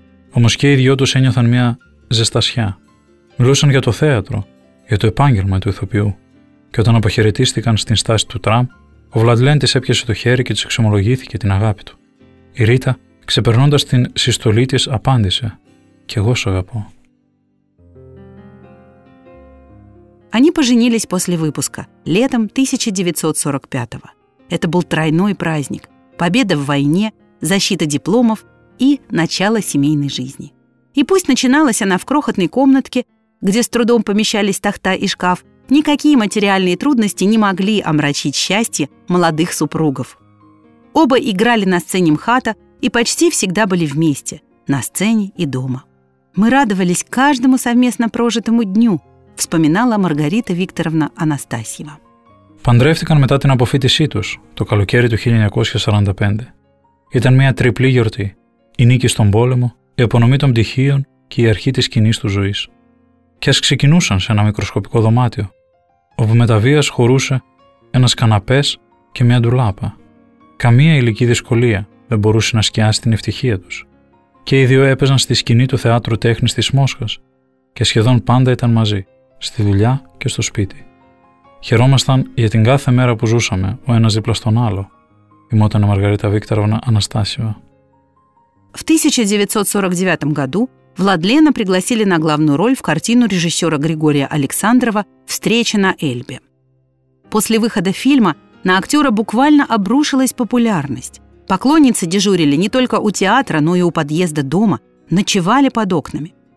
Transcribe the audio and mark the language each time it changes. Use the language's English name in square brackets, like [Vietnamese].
[Greek] Όμως και οι δυο τους ένιωθαν μια ζεστασιά. Μιλούσαν για το θέατρο, για το επάγγελμα του ηθοποιού. Και όταν αποχαιρετίστηκαν στην στάση του τραμ, ο Βλαντλέν της έπιασε το χέρι και της εξομολογήθηκε την αγάπη του. Η Ρίτα, ξεπερνώντας την συστολή της, απάντησε: «Κι εγώ σ' αγαπώ». [Russian] Они поженились после выпуска, летом 1945-го. Это был тройной праздник. Победа в войне, защита дипломов и начало семейной жизни. И пусть начиналась она в крохотной комнатке, где с трудом помещались тахта и шкаф, никакие материальные трудности не могли омрачить счастье молодых супругов. Оба играли на сцене МХАТа и почти всегда были вместе, на сцене и дома. «Мы радовались каждому совместно прожитому дню», вспоминала Маргарита Викторовна Анастасьева. [Greek] Παντρεύτηκαν μετά την αποφύτισή τους, το καλοκαίρι του 1945. Ήταν μια τριπλή γιορτή, η νίκη στον πόλεμο, η απονομή των πτυχίων και η αρχή της κοινής τους ζωής. Και ας ξεκινούσαν σε ένα μικροσκοπικό δωμάτιο, όπου μεταβίας χωρούσε ένας καναπές και μια ντουλάπα. Καμία υλική δυσκολία δεν μπορούσε να σκιάσει την ευτυχία τους. Και οι δύο έπαιζαν στη σκηνή του Θεάτρου Τέχνης της Μόσχας και σχεδόν πάντα ήταν μαζί, στη δουλειά και στο σπίτι. Χαιρόμασταν για την κάθε μέρα που ζούσαμε, ο ένας δίπλα στον άλλο, θυμόταν η Μαργαρίτα Βίκτοροβνα Αναστάσιο. [Russian] В 1949 году Владлена пригласили на главную роль в картину режиссера Григория Александрова «Встреча на Эльбе». После выхода фильма на актера буквально обрушилась популярность. Поклонницы дежурили не только у театра, но и у подъезда дома, ночевали под окнами.